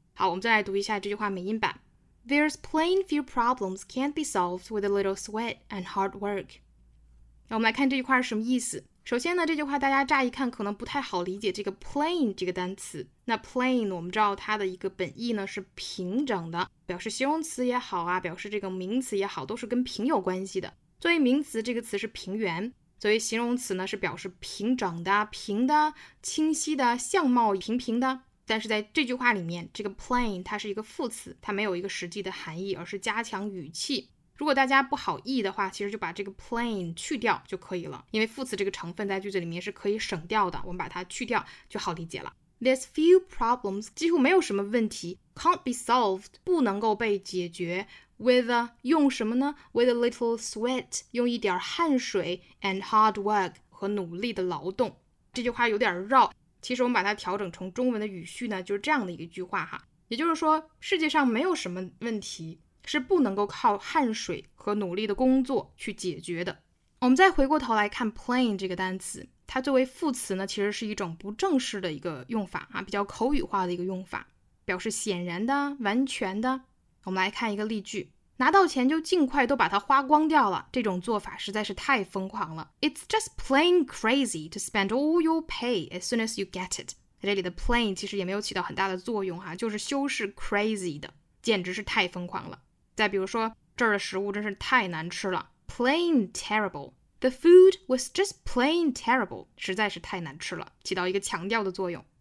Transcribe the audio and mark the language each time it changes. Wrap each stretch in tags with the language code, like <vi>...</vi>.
<zh>好，我们再来读一下这句话美音版。</zh> <en>There's plain few problems can't be solved with a little sweat and hard work.</en> <zh>那我们来看这句话是什么意思。首先呢，这句话大家乍一看可能不太好理解这个 plain 这个单词。那 plain 我们知道它的一个本意呢是平整的，表示形容词也好啊，表示这个名词也好，都是跟平有关系的。作为名词，这个词是平原，作为形容词呢是表示平整的、平的、清晰的、相貌平平的。但是在这句话里面，这个 plain 它是一个副词，它没有一个实际的含义，而是加强语气。如果大家不好意的话，其实就把这个 plain 去掉就可以了，因为副词这个成分在句子里面是可以省掉的，我们把它去掉就好理解了。</zh> <en>There's few problems，</en> <zh>几乎没有什么问题，</zh> <en>can't be solved，</en> <zh>不能够被解决，</zh> <en>with a，</en> <zh>用什么呢？</zh> <en>with a little sweat，</en> <zh>用一点汗水，</zh> <en>and hard work，</en> <zh>和努力的劳动。这句话有点绕，其实我们把它调整成中文的语序呢，就是这样的一个句话哈，也就是说世界上没有什么问题是不能够靠汗水和努力的工作去解决的。我们再回过头来看 plain 这个单词，它作为副词呢，其实是一种不正式的一个用法啊，比较口语化的一个用法，表示显然的、完全的。我们来看一个例句，拿到钱就尽快都把它花光掉了，这种做法实在是太疯狂了。</zh> <en>It's just plain crazy to spend all your pay as soon as you get it。</en> <zh>在这里的 plain 其实也没有起到很大的作用啊，就是修饰 crazy 的，简直是太疯狂了。再比如说，这儿的食物真是太难吃了，</zh> <en>plain terrible， the food was just plain terrible，</en> <zh>实在是太难吃了，起到一个强调的作用。</zh>